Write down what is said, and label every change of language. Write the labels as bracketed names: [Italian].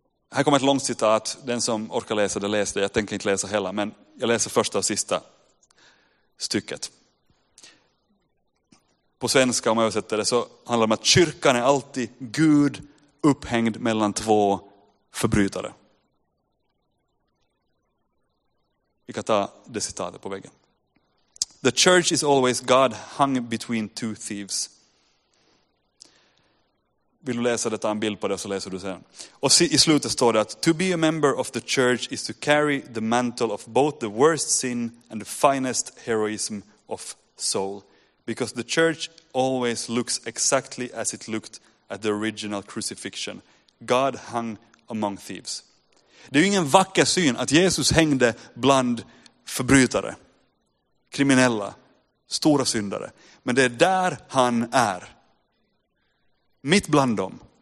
[Swedish] Här kommer ett långt citat. Den som orkar läsa det läste. Jag tänker inte läsa hela, men jag läser första och sista stycket. På svenska, om jag översätter det, så handlar det om att kyrkan är alltid Gud upphängd mellan två förbrytare. Vi kan ta det citatet på väggen. [English] The church is always God hung between two thieves. [Swedish] Vill du läsa det, ta en bild på det så läser du sen. Och i slutet står det att [English] to be a member of the church is to carry the mantle of both the worst sin and the finest heroism of soul. Because the church always looks exactly as it looked at the original crucifixion. God hung among thieves. [Swedish] Det är ju ingen vacker syn att Jesus hängde bland förbrytare, kriminella, stora syndare. Men det är där han är. Mitt bland dem.